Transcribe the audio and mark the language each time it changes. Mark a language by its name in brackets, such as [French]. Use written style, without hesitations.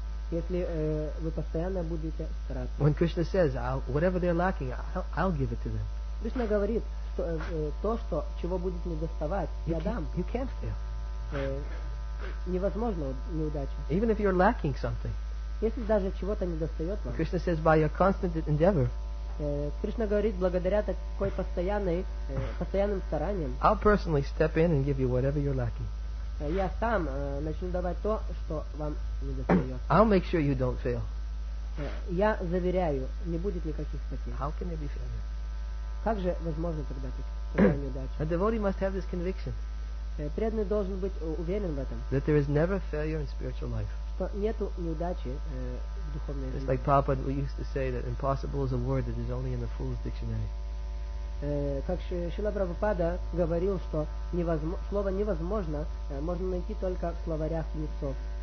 [Russian] Если вы постоянно будете стараться. [English] When Krishna says, whatever they're lacking, I'll give it to them. [Russian] Кришна говорит, что то, что чего будет недоставать, я дам. [English] You can't fail. [Russian] Невозможно неудача. [English] Even if you're lacking something. [Russian] Если даже чего-то недостает вам. [English] Krishna says, by your constant endeavor. [Russian] Кришна говорит, благодаря такой постоянным стараниям. [English] I'll personally step in and give you whatever you're lacking. [Russian] Я сам начну давать то, что вам недостает. [English] I'll make sure you don't fail. [Russian] Я заверяю, не будет никаких потерь. [English] How can there be failure? [Russian] Как же возможно тогда такая неудача? [English] A devotee must have this conviction. [Russian] Преданный должен быть уверен в этом. [English] That there is never failure in spiritual life. [Russian] Что нету неудачи в духовной жизни. [English] It's like Prabhupada, we used to say that impossible is a word that is only in the fool's dictionary. [Russian] Как Шрила Прабхупада говорил, что слово невозможно можно найти только в словарях мудрецов.